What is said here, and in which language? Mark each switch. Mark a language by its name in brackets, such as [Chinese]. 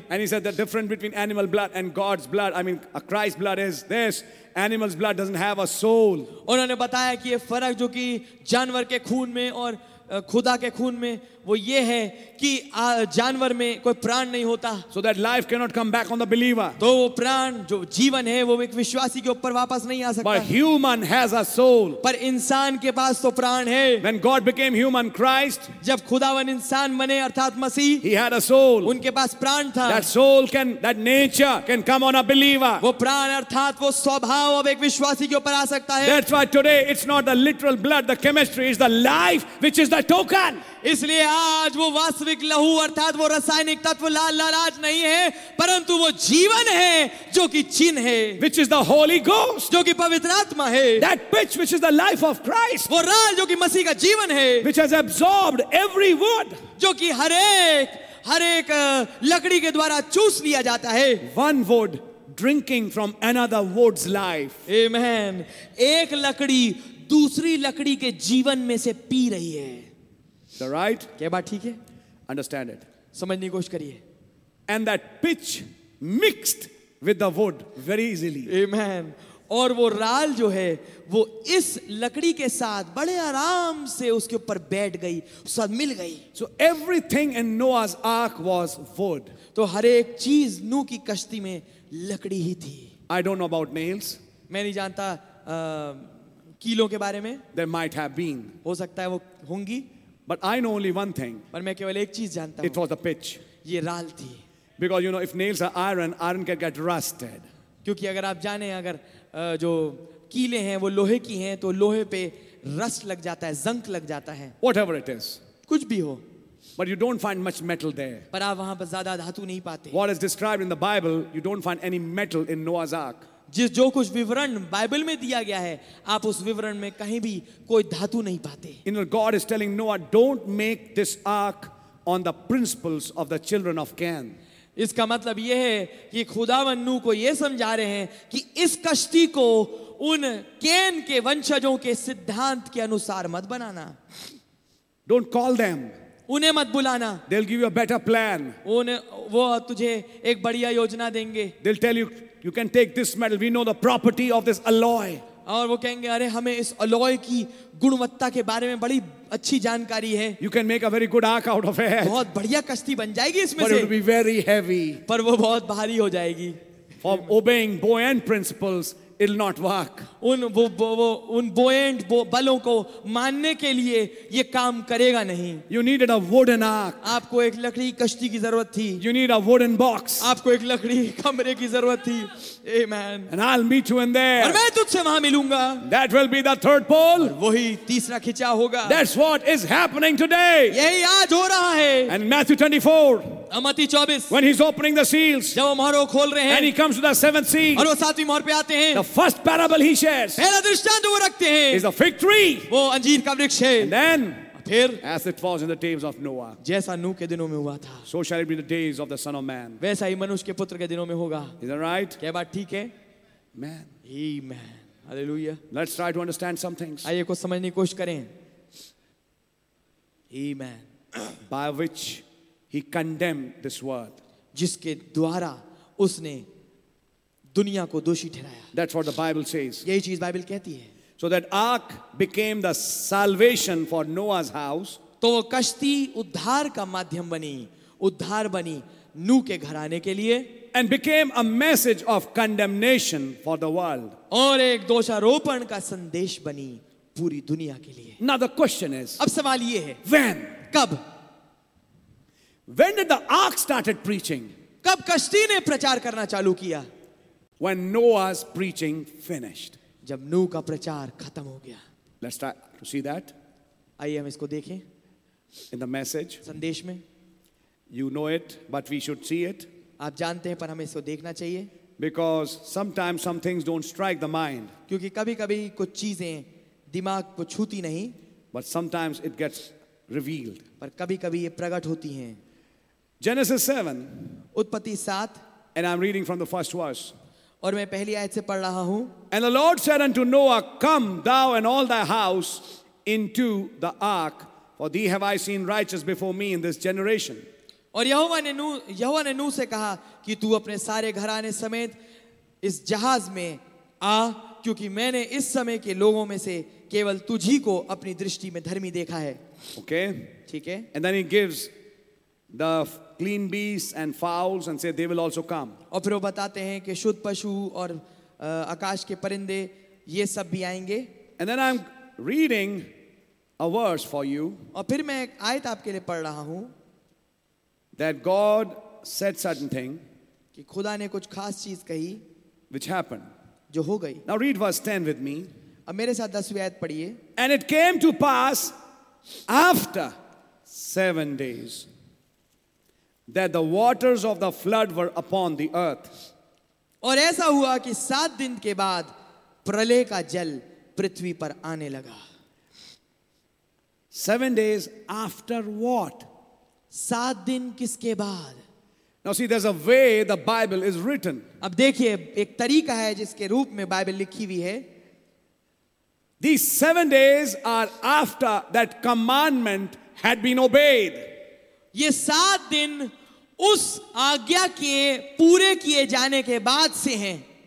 [English] And he said the difference between animal blood and God's blood, I mean Christ's blood, is this. Animal's blood doesn't have a soul. [Hindi] उन्होंने बताया कि ये फर्क जो कि जानवर के खून में और खुदा के खून में वो ये है कि जानवर में कोई प्राण नहीं होता. [English] So that life cannot come back on the believer. [Hindi] तो वो प्राण जो जीवन है वो एक विश्वासी के ऊपर वापस नहीं आ सकता. [English] But human has a soul. [Hindi] पर इंसान के पास तो प्राण है. [English] When God became human, Christ. [Hindi] जब खुदावन इंसान बने अर्थात मसीह. [English] He had a soul. [Hindi] उनके पास प्राण था. [English] That soul can, that nature can come on a believer. [Hindi] वो प्राण अर्थात वो स्वभाव अब एक विश्वासी के ऊपर आ सकता है. [English] That's why today it's not the literal blood, the chemistry is the life which is the token. [Hindi] इसलिए आज वो वास्तविक लहू अर्थात वो रासायनिक तत्व लाल लाल आज नहीं है परंतु वो जीवन है जो कि चिन्ह है. [English] Which is the Holy Ghost. [Hindi] जो कि पवित्र आत्मा है. [English] That pitch which is the life of Christ. [Hindi] वो राज जो कि मसीह का जीवन है. [English] Which has absorbed every wood. [Hindi] जो कि हर एक लकड़ी के द्वारा चूस लिया जाता है. [English] One wood drinking from another wood's life. Amen. [Hindi] एक लकड़ी दूसरी लकड़ी के जीवन में से पी रही है. [English] The right? [Hindi] क्या बात ठीक है? [English] Understand it. [Hindi] समझने की कोशिश करिए. [English] And that pitch mixed with the wood very easily. Amen. [Hindi] और वो राल जो है वो इस लकड़ी के साथ बड़े आराम से उसके ऊपर बैठ गई, सब मिल गई. [English] So everything in Noah's ark was wood. [Hindi] तो हर एक चीज नूह की कश्ती में लकड़ी ही थी. [English] I don't know about nails. [Hindi] मैं नहीं जानता कीलों के बारे में. [English] There might have been. [Hindi] हो सकता है वो होंगी. [English] But I know only one thing. [Hindi] पर मैं केवल एक चीज जानता हूँ. [English] It was the pitch. [Hindi] ये राल थी. [English] Because you know, if nails are iron, iron can get rusted. [Hindi] क्योंकि अगर आप जाने अगर जो कीले हैं वो लोहे की हैं तो लोहे पे रस्ट लग जाता है, जंक लग जाता है. [English] Whatever it is. [Hindi] कुछ भी हो. [English] But you don't find much metal there. [Hindi] पर आप वहाँ पर ज़्यादा धातु नहीं पाते. [English] What is described in the Bible, you don't find any metal in Noah's Ark. [Hindi] जिस जो कुछ विवरण बाइबल में दिया गया है आप उस विवरण में कहीं भी कोई धातु नहीं पाते. [English] You know, God is telling Noah, don't make this ark on the principles of the children of Cain. [Hindi] इसका मतलब यह है कि खुदावन नूह को यह समझा रहे हैं कि इस कश्ती को उन केन के वंशजों के सिद्धांत के अनुसार मत बनाना. [English] Don't call them. [Hindi] उन्हें मत बुलाना. [English] They'll give you a better plan. [Hindi] उन्हें वो तुझे एक बढ़िया योजना देंगे. [English] They'll tell you, you can take this metal. We know the property of this alloy. [Hindi] और वो कहेंगे अरे हमें इस अलॉय की गुणवत्ता के बारे में बड़ी अच्छी जानकारी है. [English] You can make a very good ark out of it. [Hindi] बहुत बढ़िया कश्ती बन जाएगी इसमें से. [English] But it will be very heavy. [Hindi] पर वो बहुत भारी हो जाएगी. [English] For obeying buoyant principles, it'll not work. [Hindi] उन buoyant बलों को मानने के लिए ये काम करेगा नहीं. [English] You needed a wooden ark. [Hindi] आपको एक लकड़ी कश्ती की जरूरत थी. [English] You need a wooden box. [Hindi] आपको एक लकड़ी कमरे की जरूरत थी. [English] Amen. And I'll meet you in there. [Hindi] और मैं तुझसे वहाँ मिलूँगा. [English] That will be the third pole. [Hindi] वही तीसरा खिंचाव होगा. [English] That's what is happening today. [Hindi] यही आज हो रहा है. [English] And Matthew 24. [Hindi] अमती 24. [English] When he's opening the seals. [Hindi] जब वो मोहर खोल रहे हैं. [English] And he comes to the seventh seal. [Hindi] और वो सातवीं मोहर पे आते हैं. [English] The first parable he shares. [Hindi] पहला दृष्टांत वो रखते हैं. [English] Is a fig tree. [Hindi] वो अंजीर का वृक्ष है. [English] And then. [Hindi] फिर. [English] As it was in the days of Noah. [Hindi] जैसा नूह के दिनों में हुआ था. [English] So shall it be in the days of the Son of Man. [Hindi] वैसा ही मनुष्य के पुत्र के दिनों में होगा. [English] Is that right? [Hindi] क्या बात ठीक है? [English] Man. Amen. Hallelujah. Let's try to understand some things. [Hindi] आइए कुछ समझने की कोशिश करें. [English] Amen. By which He condemned this world. [Hindi] जिसके द्वारा उसने दुनिया को दोषी ठहराया. [English] That's what the Bible says. [Hindi] यही चीज़ बाइबल कहती है. [English] So that ark became the salvation for Noah's house. [Hindi] तो वो कश्ती उद्धार का माध्यम बनी, उद्धार बनी नूह के घराने के लिए. [English] And became a message of condemnation for the world. [Hindi] और एक दोषारोपण का संदेश बनी पूरी दुनिया के लिए. [English] Now the question is. [Hindi] अब सवाल ये है. [English] When? [Hindi] कब? [English] When did the ark started preaching? [Hindi] कब कश्ती ने प्रचार करना चालू किया? [English] When Noah's preaching finished. [Hindi] जब नूह का प्रचार खत्म हो गया. [English] Let's try to see that. [Hindi] आइए हम इसको देखें. [English] In the message. [Hindi] संदेश में. [English] You know it, but we should see it. [Hindi] आप जानते हैं पर हमें इसको देखना चाहिए. [English] Because sometimes some things don't strike the mind. [Hindi] क्योंकि कभी-कभी कुछ चीजें दिमाग को छूती नहीं. [English] But sometimes it gets revealed. [Hindi] पर कभी-कभी ये प्रकट होती हैं. [English] Genesis 7. [Hindi] उत्पत्ति 7. [English] And I'm reading from the first verse. [Hindi] और मैं पहली आयत से पढ़ रहा हूँ. [English] And the Lord said unto Noah, Come thou and all thy house into the ark, for thee have I seen righteous before me in this generation. [Hindi] और यहोवा ने नूह से कहा कि तू अपने सारे घराने समेत इस जहाज में आ, क्योंकि मैंने इस समय के लोगों में से केवल तुझी को अपनी दृष्टि में धर्मी देखा है. [English] Okay? [Hindi] ठीक है? [English] And then he gives the clean beasts and fowls and says they will also come. [Hindi] और फिर वो बताते हैं कि शुद्ध पशु और आकाश के परिंदे ये सब भी आएंगे. [English] And then I'm reading a verse for you. [Hindi] और फिर मैं एक आयत आपके लिए पढ़ रहा हूँ. [English] That God said certain thing. [Hindi] कि खुदा ने कुछ खास चीज कही. [English] Which happened. [Hindi] जो हो गई. [English] Now read verse 10 with me. [Hindi] अब मेरे साथ दसवीं आयत पढ़िए. [English] And it came to pass after 7 days that the waters of the flood were upon the earth. [Hindi] और ऐसा हुआ कि सात दिन के बाद प्रलय का जल पृथ्वी पर आने लगा. [English] 7 days after what? [Hindi] सात दिन किसके बाद? [English] Now see, there's a way the Bible is written. [Hindi] अब देखिए एक तरीका है जिसके रूप में बाइबल लिखी हुई है. [English] These 7 days are after that commandment had been obeyed. [Hindi] ये सात दिन उस आज्ञा के पूरे किए जाने के बाद से हैं.